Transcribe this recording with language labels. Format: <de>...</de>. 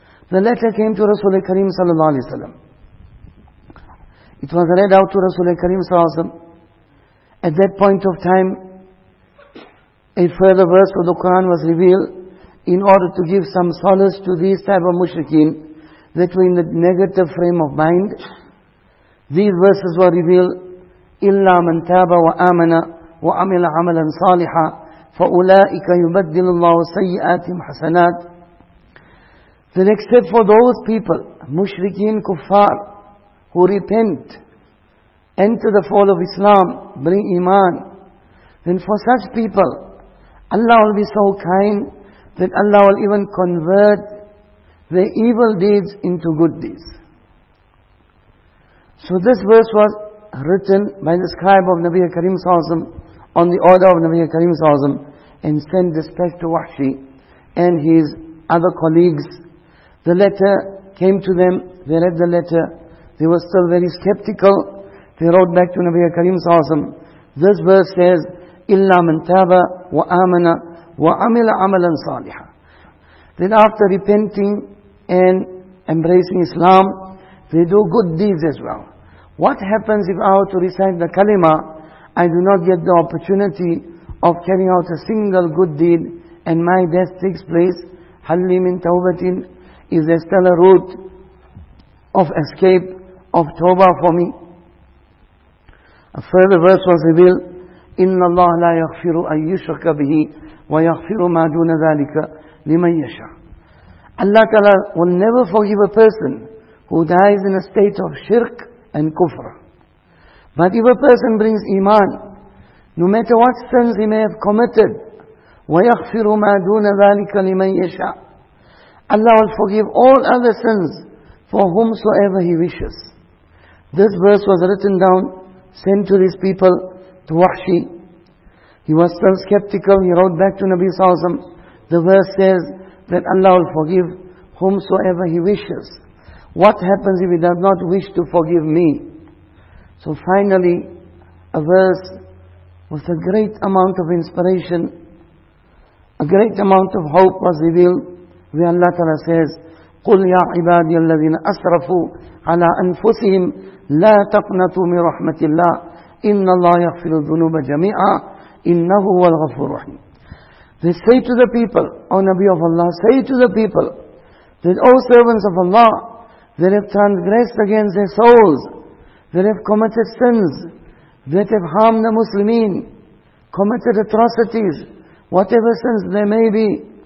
<en>The letter came to Rasul Kareem sallallahu alayhi wa sallam. It was read out to Rasul Kareem sallallahu alayhi wa sallam. At that point of time, a further verse of the Quran was revealed in order to give some solace to these type of mushrikeen that were in the negative frame of mind. These verses were revealed,</en> <ar>إِلَّا مَنْ تَابَ وَآمَنَ وَعَمِلَ عَمَلًا صَالِحًا فَأُولَٰئِكَ يُبَدِّلُ اللَّهُ سَيِّئَاتِهِمْ حَسَنَاتٍ.</ar> <en>Then except for those people, mushrikeen, kuffar, who repent, enter the fold of Islam, bring iman, then for such people, Allah will be so kind that Allah will even convert their evil deeds into good deeds. So this verse was written by the scribe of Nabi Kareem sallallahu alayhi wa sallam on the order of Nabi Kareem sallallahu alayhi wa sallam and sent dispatch to Wahshi and his other colleagues. The letter came to them, they read the letter. They were still very skeptical. They wrote back to Nabi Kareem sallallahu alayhi wa sallam. This verse says,</en> <ar>إِلَّا مَنْ تَابَ وَآمَنَ وَعَمِلَ عَمَلًا صَالِحًا.</ar> <en>Then after repenting and embracing Islam, they do good deeds as well. What happens if I were to recite the kalima, I do not get the opportunity of carrying out a single good deed and my death takes place?</en> <ar>حَلِّ مِنْ تَوْبَةٍ.</ar> <en>Is there still a route of escape, of tawbah for me? A further verse was revealed,</en> <ar>إِنَّ اللَّهَ لَا يَغْفِرُ أَن يُشْرَكَ بِهِ وَيَغْفِرُ مَا دُونَ ذَلِكَ لِمَن يَشَاءُ.</ar> <en>Allah Ta'ala will never forgive a person who dies in a state of shirk and kufr. But if a person brings iman, no matter what sins he may have committed,</en> <ar>وَيَغْفِرُ مَا دُونَ ذَلِكَ لِمَن يَشَاءُ,</ar> <en>Allah will forgive all other sins for whomsoever He wishes. This verse was written down, sent to these people, to Wahshi. He was still skeptical. He wrote back to Nabi Sallallahu Alaihi Wasallam. The verse says that Allah will forgive whomsoever He wishes. What happens if He does not wish to forgive me? So finally, a verse with a great amount of inspiration, a great amount of hope was revealed, where Allah Ta'ala says,</en> <ar>قُلْ يَا عِبَادِيَ الَّذِينَ أَسْرَفُوا عَلَىٰ أَنفُسِهِمْ لَا تَقْنَتُوا مِنْ رَحْمَةِ اللَّهِ إِنَّ اللَّهَ يَغْفِرُ الذُّنُوبَ جَمِيعًا إِنَّهُ هُوَ الْغَفُورُ الرَّحِيمُ.</ar> <en>They say to the people, O Nabi of Allah, say to the people, that O servants of Allah, they have transgressed against their souls, they have committed sins, they have harmed the Muslimin, committed atrocities, whatever sins they may be.</en>